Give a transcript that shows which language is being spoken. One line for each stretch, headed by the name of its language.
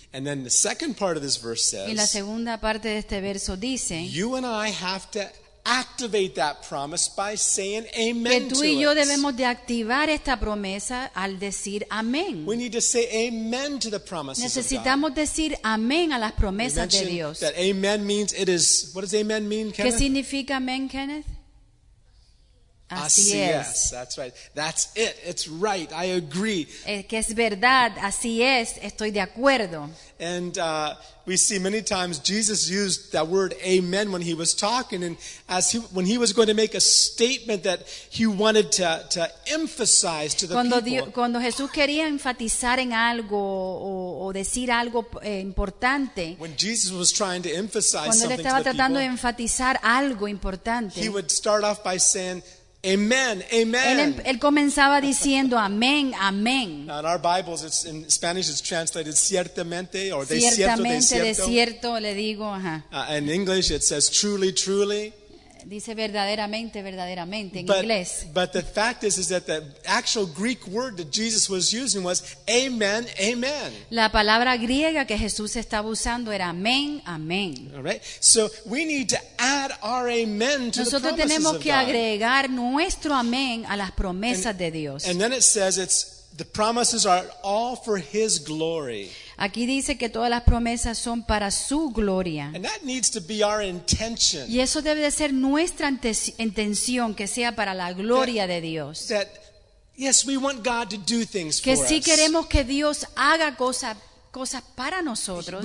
English: And then the second part of this verse says,
Spanish: y la segunda parte de este verso dice,
English: you and I have to activate that promise by saying amen to it.
Spanish: Que tú y yo debemos de activar esta promesa al decir amén.
English: We need to say amen to the promises of God.
Spanish: Necesitamos decir amén a las promesas de Dios.
English: That amen means it is. What does amen mean, Kenneth?
Spanish: ¿Qué significa amén, Kenneth? Así es.
English: That's right. That's it. It's right. I agree.
Spanish: Que es verdad. Así es. Estoy de acuerdo.
English: And we see many times Jesus used that word amen when he was talking, and when he was going to make a statement that he wanted to emphasize to the people.
Spanish: Cuando Jesús quería enfatizar en algo o decir algo importante.
English: When Jesus was trying to emphasize something to the people.
Spanish: Cuando él estaba tratando de enfatizar algo importante.
English: He would start off by saying amen, amen.
Spanish: Él comenzaba diciendo amén, amén.
English: Now in our Bibles, it's in Spanish, it's translated ciertamente or de
Spanish: ciertamente, cierto, de cierto. Le digo, ajá.
English: In English, it says truly, truly.
Spanish: Dice verdaderamente, verdaderamente, en inglés.
English: But the fact is that the actual Greek word that Jesus was using was amen, amen.
Spanish: La palabra griega que Jesús estaba usando era amén, amén.
English: All right. So we need to add our amen to
Spanish: nosotros
English: the promises
Spanish: tenemos que
English: of God.
Spanish: Agregar nuestro amén a las promesas de Dios.
English: And then it says it's the promises are all for his glory.
Spanish: Aquí dice que todas las promesas son para su gloria.
English: And that needs to be our intention.
Spanish: Y eso debe de ser nuestra intención, que sea para la gloria de Dios.
English: That Yes, we want God to do things for us.
Spanish: Que sí queremos que Dios haga cosas para nosotros.